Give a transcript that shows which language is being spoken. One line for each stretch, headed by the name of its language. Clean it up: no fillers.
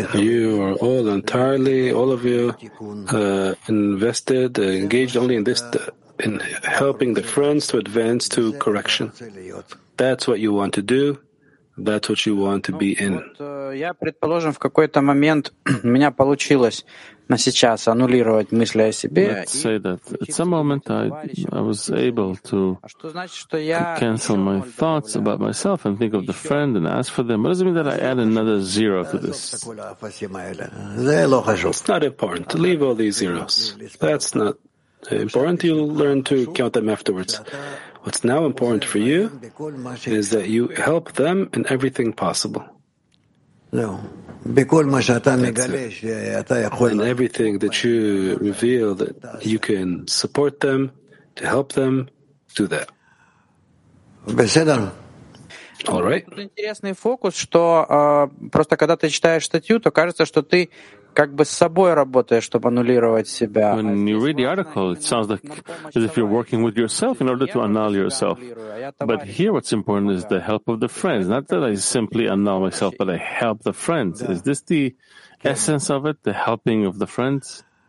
English: You are all entirely, all of you, invested, engaged only in this, in helping the friends to advance to correction. That's what you want to do. That's what you want to be in.
Russian: Я предположим в какой-то момент меня получилось на сейчас аннулировать мысли о себе.
English: Let's say that at some moment I was able to cancel my thoughts about myself and think of the friend and ask for them. What does it mean that I add another zero to this? It's not important. Leave all these zeros. That's not important. You'll learn to count them afterwards. What's now important for you is that you help them in everything possible. In everything that you reveal that you can support them, to help them, do that. All right.
Russian: Интересный фокус, что просто когда ты читаешь статью, то кажется, что ты как бы с собой работаешь, чтобы аннулировать себя.
English: When you read the article, it sounds like as if you're working with yourself in order to annul yourself. But here what's important is the help of the friends. Not that I simply annul myself, but I help the friends. Is this the essence of it, the helping of the friends?